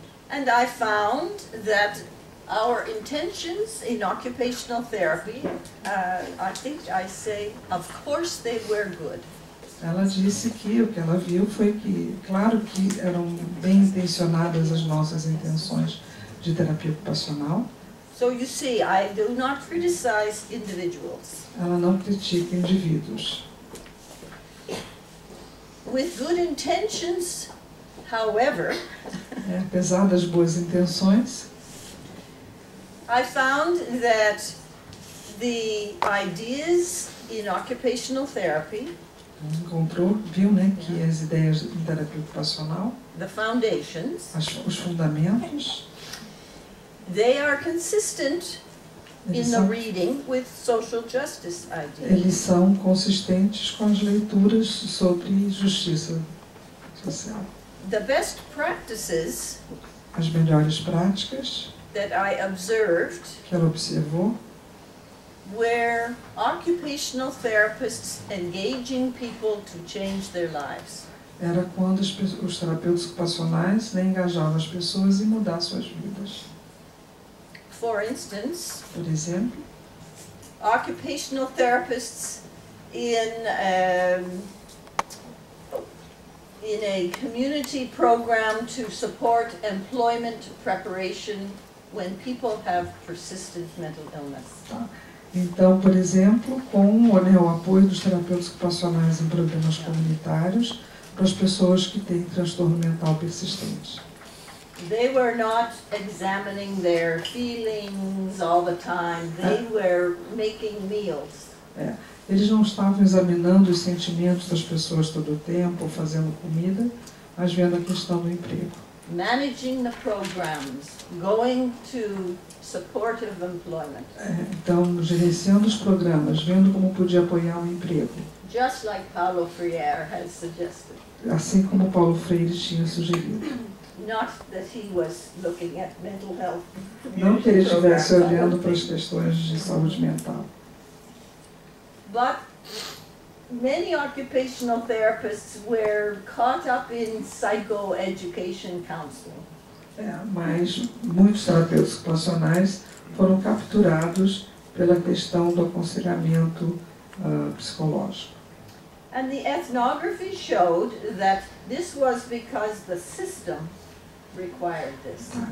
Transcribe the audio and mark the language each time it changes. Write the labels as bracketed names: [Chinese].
[English] And I found that our intentions in occupational therapy, I think I say, of course they were good. [Portuguese] Ela disse que o que ela viu foi que, claro que eram bem intencionadas as nossas intenções de terapia ocupacional. [English] So you see, I do not criticize individuals. [Portuguese] Ela não critica indivíduos. [English] With good intentions, however, [Portuguese] apesar das boas intenções, [English] I found that the ideas in occupational therapy, [Portuguese] encontrou, viu, né, que as ideias em terapia ocupacional, [English] the foundations, [Portuguese] os fundamentos, [English] they are consistent in the reading with social justice ideas. [Portuguese] Eles são consistentes com as leituras sobre justiça social. [English] The best practices, [Portuguese] as melhores práticas, [English] that I observed, [Portuguese] que ela observou, [English] were occupational therapists engaging people to change their lives. [Portuguese] Era quando os terapeutas ocupacionais, né, engajavam as pessoas em mudar suas vidas. [English] For instance, [Portuguese] por exemplo, [English] occupational therapists in a community program to support employment preparation when people have persistent mental illness. [Portuguese] Então, por exemplo, com o apoio dos terapeutas ocupacionais em problemas comunitários para as pessoas que têm transtorno mental persistente. [English] They were not examining their feelings all the time. They were making meals. [Portuguese] Eles não estavam examinando os sentimentos das pessoas todo o tempo, fazendo comida, mas vendo a questão do emprego. [English] Managing the programs, going to supportive employment. [Portuguese] Então, gerenciando os programas, vendo como podia apoiar o emprego. [English] Just like Paulo Freire has suggested. [Portuguese] Assim como Paulo Freire tinha sugerido. [English] Not that he was looking at mental health. [Portuguese] Não que ele estivesse olhando para as questões de saúde mental. [English] But many occupational therapists were caught up in psychoeducation counseling. [Portuguese] Mas muitos terapeutas ocupacionais foram capturados pela questão do aconselhamento psicológico. [English] And the ethnography showed that this was because the system required this.